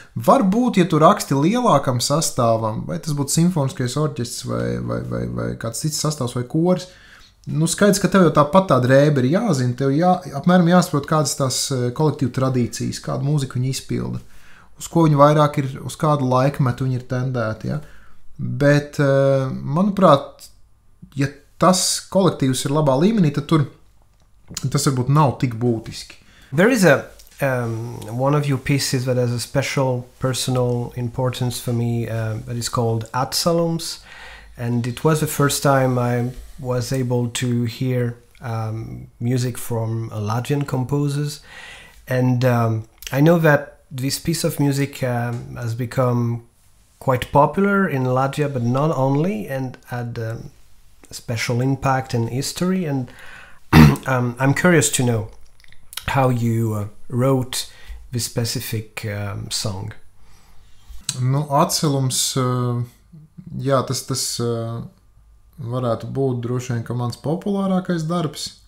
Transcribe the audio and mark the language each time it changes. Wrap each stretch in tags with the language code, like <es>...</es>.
<lv>Varbūt, ja tu raksti lielākam sastāvam, vai tas būtu simfoniskais orķestrs vai kāds cits sastāvs vai koris, nu, skaidrs, ka tev jau tāpat tā drēbe ir jāzina, tev apmēram jāsaprot, kādas tās kolektīvu tradīcijas, kādu mūziku viņi izpilda, uz ko viņi vairāk ir, uz kādu laikmetu viņi ir tendēti, ja? Bet, manuprāt, ja tas kolektīvs ir labā līmenī, tad tur tas varbūt nav tik būtiski.</lv> <en>There is a one of your pieces that has a special personal importance for me, that is called Absalom's, and it was the first time I was able to hear music from Latvian composers, and I know that this piece of music has become quite popular in Latvia, but not only, and had a special impact in history, and I'm curious to know how you wrote this specific song.</en> <lv>Nu, Atcelums, jā, tas varētu būt droši vien, ka mans populārākais darbs.</lv>